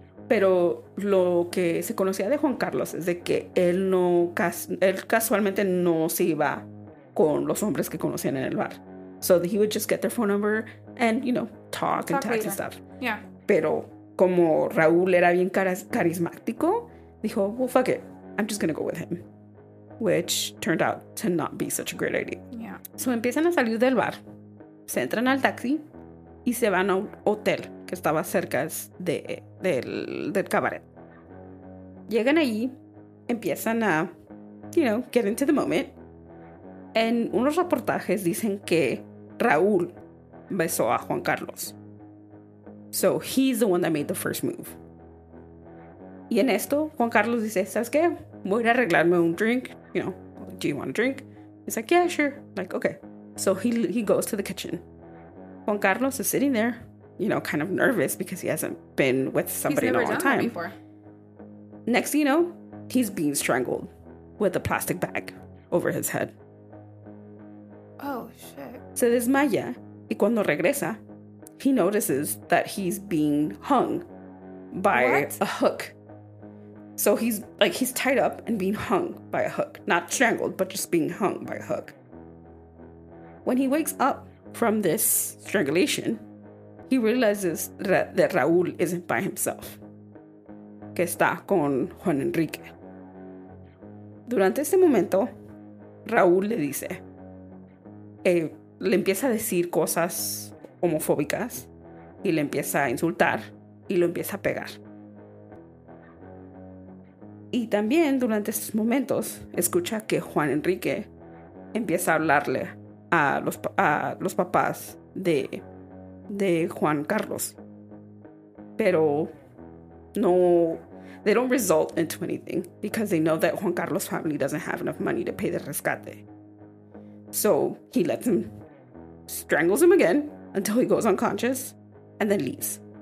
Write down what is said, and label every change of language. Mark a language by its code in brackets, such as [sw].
[es] Pero lo que se conocía de Juan Carlos es de que él no... Él casualmente no se iba con los hombres que conocían en el bar. [en] So he would just get their phone number and, you know, talk and text and stuff. Yeah. [es] Pero como Raúl era bien carismático, dijo, well, fuck it. I'm just going to go with him. [en] Which turned out to not be such a great idea. Yeah. [es] So empiezan a salir del bar. Se entran al taxi. Y se van a un hotel que estaba cerca del cabaret. Llegan ahí, empiezan a, you know, get into the moment. En unos reportajes dicen que Raúl besó a Juan Carlos. [en] So he's the one that made the first move. [es] Y en esto, Juan Carlos dice, ¿sabes qué? [en] Voy a arreglarme un drink. You know, do you want a drink? He's like, yeah, sure. Like, okay. So he goes to the kitchen. Juan Carlos is sitting there, you know, kind of nervous because he hasn't been with somebody in a long time. He's never done that before. Next thing you know, he's being strangled with a plastic bag over his head. Oh, shit. Se desmaya, y cuando regresa, he notices that he's being hung by a hook. So he's, like, he's tied up and being hung by a hook. Not strangled, but just being hung by a hook. When he wakes up from this strangulation, he realizes that Raúl isn't by himself. [es] Que está con Juan Enrique. Durante este momento, Raúl le dice, le empieza a decir cosas homofóbicas y le empieza a insultar y lo empieza a pegar. Y también durante estos momentos, escucha que Juan Enrique empieza a hablarle a los papás de Juan Carlos. [en] Pero no, they don't result into anything because they know that Juan Carlos' family doesn't have enough money to pay the rescate. So he lets him, strangles him again until he goes unconscious and then leaves.